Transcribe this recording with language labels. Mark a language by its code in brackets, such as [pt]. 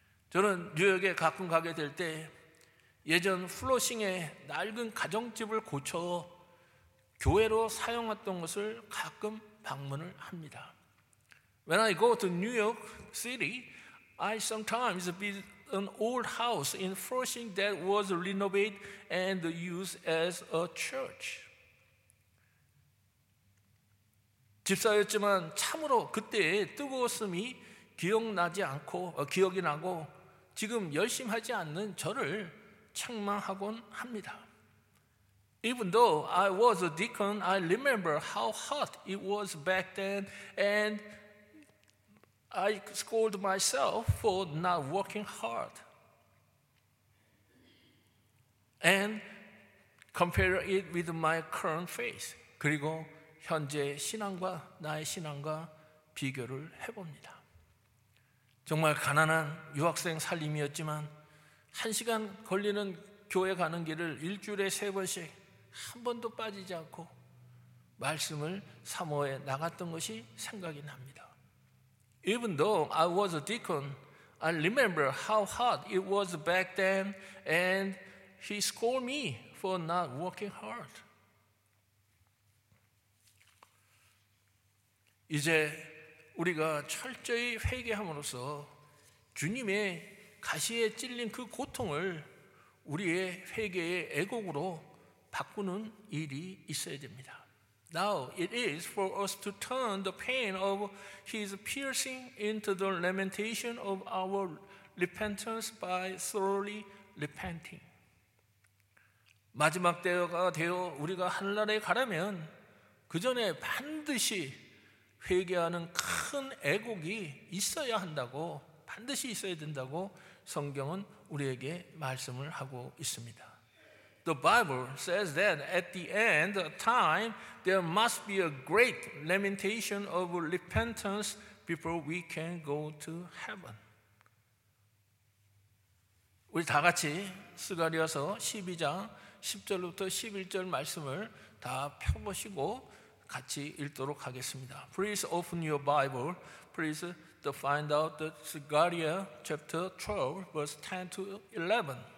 [ko] 저는 뉴욕에 가끔 가게 될 때 예전 플러싱의 낡은 가정집을 고쳐 교회로 사용했던 것을 가끔 방문을 합니다. [en] When I go to New York City, I sometimes visit an old house in Flushing that was renovated and used as a church. [ko] 집사였지만 참으로 그때의 뜨거웠음이 기억나지 않고 기억이 나고 지금 열심히 하지 않는 저를 책망하곤 합니다. [en] Even though I was a deacon, I remember how hot it was back then, and I scold myself for not working hard. and compare it with my current faith. [ko] 그리고 현재 신앙과 나의 신앙과 비교를 해봅니다. 정말 가난한 유학생 살림이었지만 한 시간 걸리는 교회 가는 길을 일주일에 세 번씩 한 번도 빠지지 않고 말씀을 사모해 나갔던 것이 생각이 납니다. [en] Even though I was a deacon, I remember how hard it was back then and he scolded me for not working hard. [ko] 이제 우리가 철저히 회개함으로써 주님의 가시에 찔린 그 고통을 우리의 회개의 애곡으로 바꾸는 일이 있어야 됩니다. [en] Now it is for us to turn the pain of his piercing into the lamentation of our repentance by thoroughly repenting. [ko] 마지막 때가 되어 우리가 하늘나라에 가려면 그 전에 반드시 회개하는 큰 애곡이 있어야 한다고 반드시 있어야 된다고 성경은 우리에게 말씀을 하고 있습니다. [en] The Bible says that at the end of time there must be a great lamentation of repentance before we can go to heaven. [ko] 우리 다 같이 스가랴서 12장 10절부터 11절 말씀을 다 펴보시고 같이 읽도록 하겠습니다. [en] Please open your Bible. Please to find out the Zechariah chapter 12, verse 10 to 11.